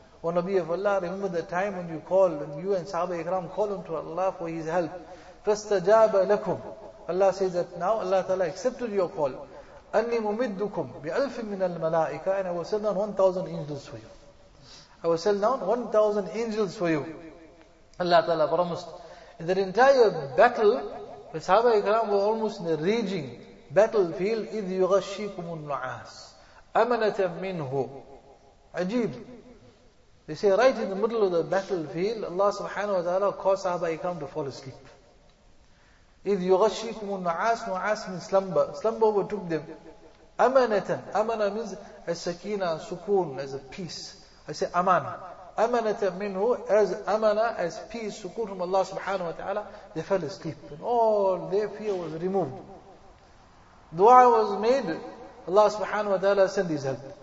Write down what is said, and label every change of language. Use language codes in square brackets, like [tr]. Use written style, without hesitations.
[en] O Nabi of Allah, remember the time when you call, when you and Sahaba Ikram call unto Allah for His help. Fastajaba lakum. Allah says that now Allah Ta'ala accepted your call. [ar] أني ممدكم بألف من الملائكة [en] and I will send down 1,000 angels for you. I will send down 1,000 angels for you. Allah Ta'ala promised. In that entire battle, the Sahaba Ikram were almost in a raging battlefield. [ar] إِذْ يُغَشِّيكُمُ النُّعَاسِ أَمَنَةً مِنْهُ عجيب. [en] They say right in the middle of the battlefield, Allah Subhanahu Wa Ta'ala caused Sahaba Ikram to fall asleep. [ar] إِذْ يُغَشِّيكُمُ النُّعَاسِ نُعَاسِ مِنْ [en] slumber. Slumber overtook them. [ar] أَمَنَةً أَمَنَةً [en] means as sakina, sukoon, as a peace. I say amana. Amanata minhu, as amana, as peace, sukoon from Allah subhanahu wa ta'ala, they fell asleep. And all their fear was removed. Dua was made, Allah subhanahu wa ta'ala sent his help.